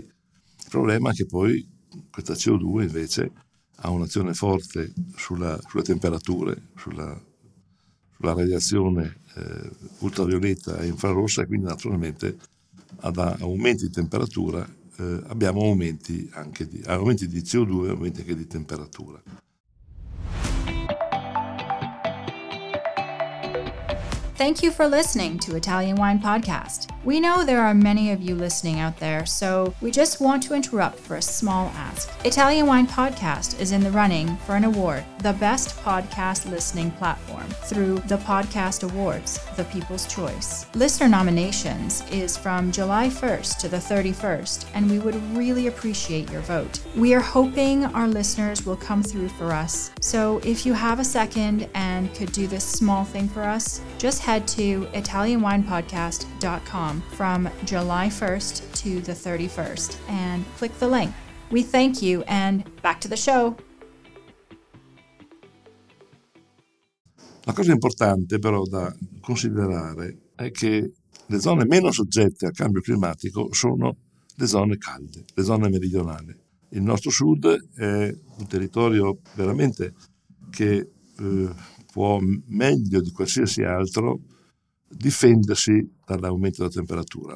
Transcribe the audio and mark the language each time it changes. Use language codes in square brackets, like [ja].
[it] Il problema è che poi questa CO2 invece ha un'azione forte sulle temperature, sulla radiazione ultravioletta e infrarossa, e quindi naturalmente ad aumenti di temperatura abbiamo aumenti anche di CO2 e aumenti anche di temperatura. [en] Thank you for listening to Italian Wine Podcast. We know there are many of you listening out there, so we just want to interrupt for a small ask. Italian Wine Podcast is in the running for an award, the best podcast listening platform, through the Podcast Awards, the People's Choice. Listener nominations is from July 1st to the 31st, and we would really appreciate your vote. We are hoping our listeners will come through for us. So if you have a second and could do this small thing for us, just head to italianwinepodcast.com from July 1st to the 31st and click the link. We thank you and back to the show. [it] La cosa importante però da considerare è che le zone meno soggette al cambio climatico sono le zone calde, le zone meridionali. Il nostro sud è un territorio veramente che può meglio di qualsiasi altro difendersi dall'aumento della temperatura.